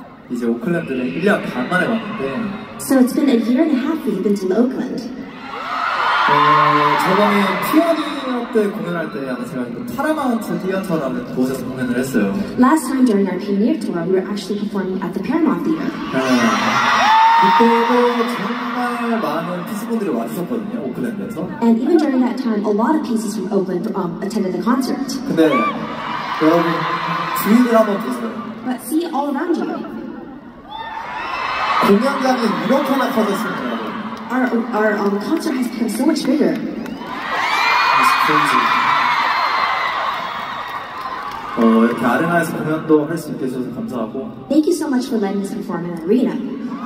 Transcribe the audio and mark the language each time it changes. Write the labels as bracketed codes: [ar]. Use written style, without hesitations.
[ko] 이제 오클랜드는 1년 반 만에 왔는데 [en] So it's been a year and a half that you've been to Oakland. [ko] 저번에 P1Harmony 때 공연할 때 아마 제가 파라마운트 디어터라는 곳에서 공연을 했어요. [en] Last time during our P1Harmony tour, we were actually performing at the Paramount Theater. [ko] 그때도 정말 많은 피스분들이 왔었거든요, 오클랜드에서. [en] And even during that time, a lot of pieces from Oakland attended the concert. [ko] 근데 여러분, 주위를 한번 보세요. [en] But see all around you. [ko] 공연장이 이렇게나 커졌습니다. [en] Our concert has become so much bigger. That's crazy. [ko] 이렇게 아레나에서 공연도 할 수 있게 해주셔서 감사하고. [en] Thank you so much for letting us perform in the arena.